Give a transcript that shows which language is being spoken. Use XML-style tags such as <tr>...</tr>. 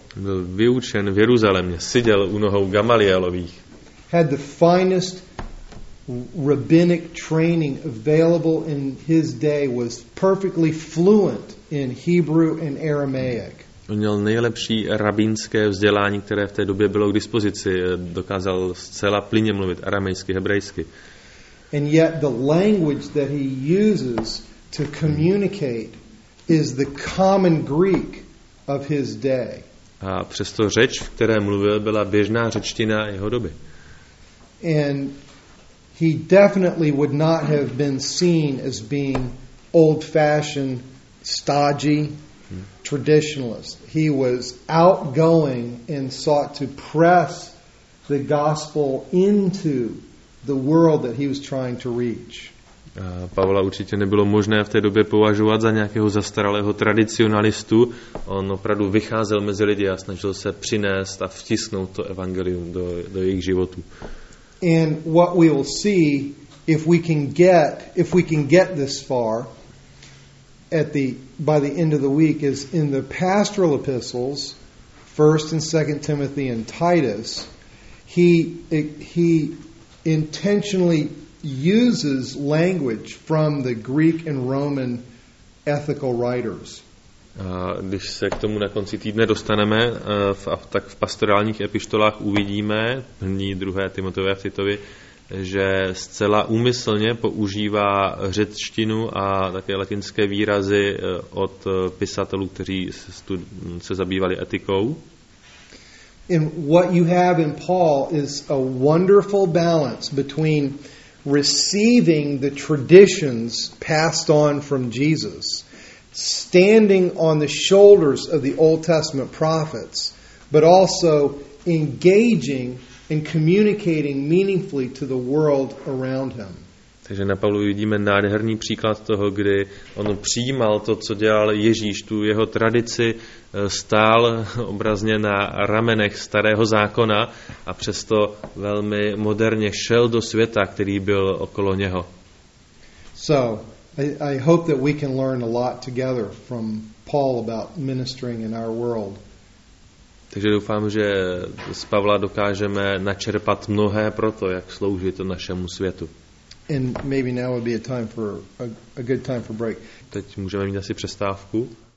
<cs>Byl vyučen v Jeruzalémě, seděl u nohou Gamalielových.</cs> <en>Had the finest rabbinic training available in his day, was perfectly fluent in Hebrew and Aramaic.</en> <cs>On měl nejlepší rabínské vzdělání, které v té době bylo k dispozici, dokázal zcela plynně mluvit aramejsky, hebrejsky.</cs> <en>And yet the language that he uses to communicate is the common Greek of his day.</en> <cs>A přesto řeč, v které mluvil, byla běžná řečtina jeho doby.</cs> <en>And he definitely would not have been seen as being old-fashioned, stodgy, traditionalist. He was outgoing and sought to press the gospel into the world that he was trying to reach.</en> <cs>Pavla určitě nebylo možné v té době považovat za nějakého zastaralého tradicionalistu. On opravdu vycházel mezi lidi a snažil se přinést a vtisknout to evangelium do jejich životů.</cs> <en>And what we will see if we can get this far by the end of the week is in the pastoral epistles, 1st and 2nd Timothy and Titus, he intentionally uses language from the Greek and Roman ethical writers.</en> <cs>Když se k tomu na konci týdne dostaneme, tak v pastorálních epištolách uvidíme, 2. Timoteovi a Titovi, že zcela úmyslně používá řečtinu a také latinské výrazy od pisatelů, kteří se zabývali etikou.</cs> <en>And what you have in Paul is a wonderful balance between receiving the traditions passed on from Jesus, standing on the shoulders of the Old Testament prophets, but also engaging and communicating meaningfully to the world around him.</en> <cs>Takže na Pavlu vidíme nádherný příklad toho, kdy on přijímal to, co dělal Ježíš, tu jeho tradici, stál obrazně na ramenech starého zákona a přesto velmi moderně šel do světa, který byl okolo něho.</cs> <en>So, I hope that we can learn a lot together from Paul about ministering in our world.</en> <cs>Takže doufám, že s Pavla dokážeme načerpat mnohé pro to, jak sloužit našemu světu.</cs> <en>And maybe now would be a good time for a break.</en> <cs>Teď můžeme mít asi přestávku.</cs>